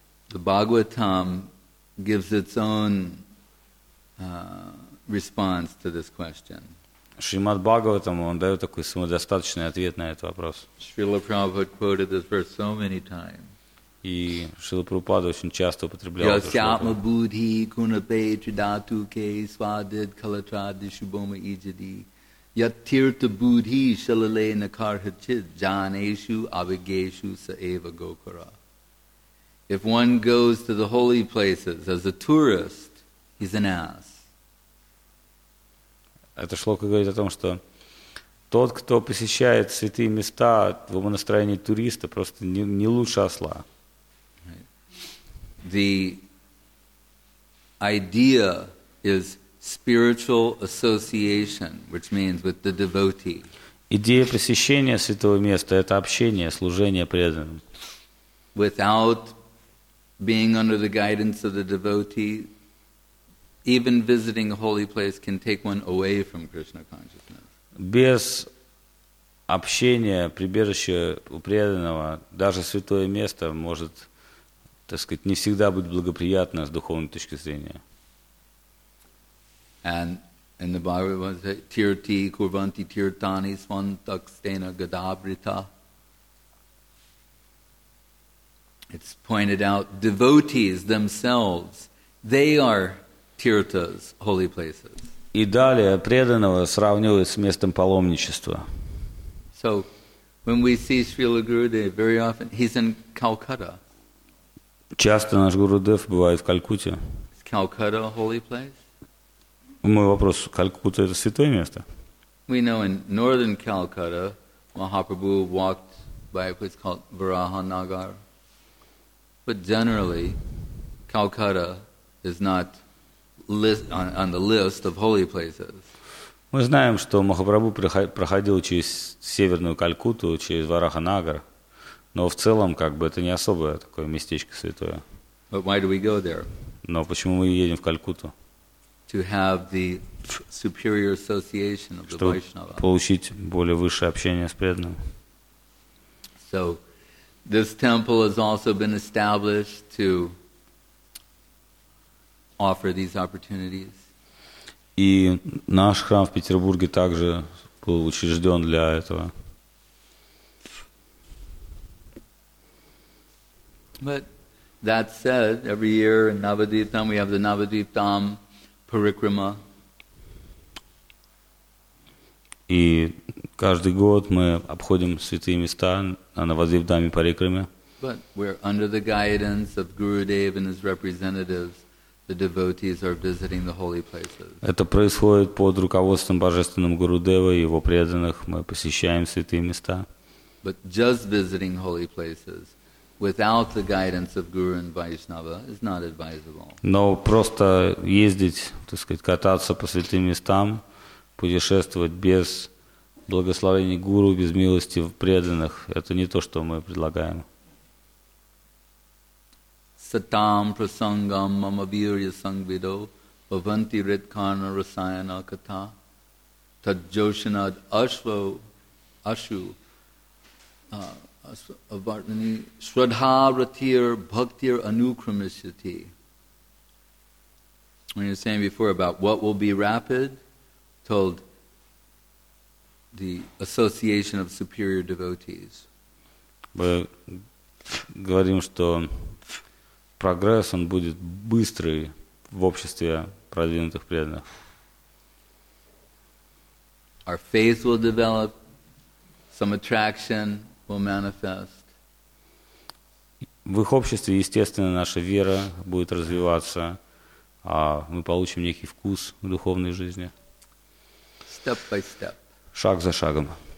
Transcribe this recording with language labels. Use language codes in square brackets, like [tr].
[en] The Bhagavatam gives its own response to this question. [ru] Шримад Бхагаватам, он дает такой самодостаточный ответ на этот вопрос. [en] Шрила Прабхупада quoted this verse so many times. [ru] И Шрила Прабхупада очень часто употреблял этот [sa] шлоку. Ясятма будхи кунапе чудату ке свадид калатра дишубома ижади. Яттирта будхи шалале накархачит джанешу авигешу саева гокара. [en] If one goes to the holy places as a tourist, he's an ass. [ru] Эта шлока говорит о том, что тот, кто посещает святые места в настроении туриста, просто не лучше осла. [en] The idea is spiritual association, which means with the devotee. [ru] Идея посещения святого места — это общение, служение преданным. [en] Without being under the guidance of the devotee, even visiting a holy place can take one away from Krishna consciousness. [ru] Без общения, прибежище у преданного, даже святое место может, так сказать, не всегда быть благоприятно с духовной точки зрения. [en] And in the Bible, [sa] Tirti Kurvanti Tirtani Svantakstena Gadabrita. [en] It's pointed out, devotees themselves, they are tirthas, holy places. [ru] И далее преданного сравнивают с местом паломничества. [en] So, when we see Srila Gurudev, very often, he's in Calcutta. [ru] Часто наш Гурудев бывает в Калькутте. [en] Is Calcutta a holy place? [ru] Мой вопрос, Калькутта — это святое место? [en] We know in northern Calcutta, Mahaprabhu walked by a place called Varahanagar. But generally, Calcutta is not on the list of holy places. [ru] Мы знаем, что Махапрабху проходил через Северную Калькутту, через Варахонагар, но в целом как бы это не особое такое местечко святое. [en] But why do we go there? [ru] Но почему мы едем в Калькутту? [en] To have the superior association of the Vaishnava. [ru] Чтобы получить более высшее общение с преданным. [en] So, this temple has also been established to offer these opportunities. [ru] И наш храм в Петербурге также был учрежден для этого. [en] But that said, every year in Navadvip Dham we have the Navadvip Dham Parikrama. [ru] И каждый год мы обходим святые места на Навадвип Дхаме Парикраме. [en] But we're under the guidance of Gurudev and his representatives. The devotees are visiting the holy places. [ru] Это происходит под руководством божественным Гурудева и его преданных. Мы посещаем святые места. [en] But just visiting holy places without the guidance of Guru and Vaishnava is not advisable. [ru] Но просто ездить, так сказать, кататься по святым местам, путешествовать без благословения Гуру, без милости преданных, это не то, что мы предлагаем. [sa] Satam prasangam mamavirya sangvido bhavanti ritkarna rasayana katha tadjoshanad ashvo ashu avartani shraddha ratir bhaktir anukramishyati. [en] When you were saying before about what will be rapid, told the association of superior devotees. [ru] Мы говорим, что прогресс, он будет быстрый в обществе продвинутых преданных. [en] Our faith will develop, some attraction will manifest. [ru] В их обществе, естественно, наша вера будет развиваться, а мы получим некий вкус в духовной жизни. [en] Step by step. [ru] Шаг за шагом.